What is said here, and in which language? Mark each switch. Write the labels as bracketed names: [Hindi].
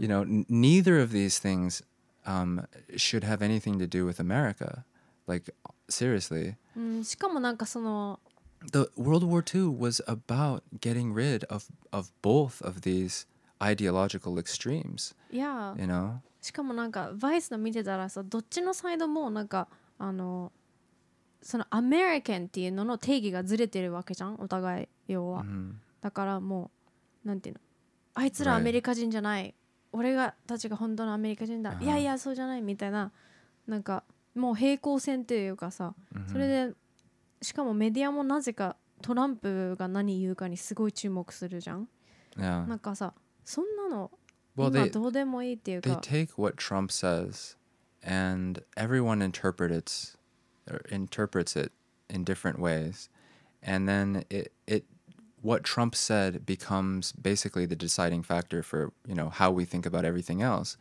[English] You know, neither of these things should have anything to do with America. Like, seriously. The World War II was about getting rid of both of these ideological extremes. Yeah. You know? [Japanese] しかもなんかバイスの見てたらさ、どっちのサイドもなんかあのそのアメリカンっていうのの定義がずれてるわけじゃん、お互い要は、 mm-hmm. だからもうなんていうの、あいつらアメリカ人じゃない、 [English] right. [Japanese] 俺がたちが本当のアメリカ人だ、uh-huh. いやいやそうじゃないみたいな、なんかもう平行線っていうかさ、 mm-hmm. それでしかもメディアもなぜかトランプが何言うかにすごい注目するじゃん、 [English] yeah. [Japanese] なんかさそんなの [English] They take what Trump says and everyone interprets it in different ways. And then it what Trump said becomes basically the deciding factor for, you know, how we think about everything else.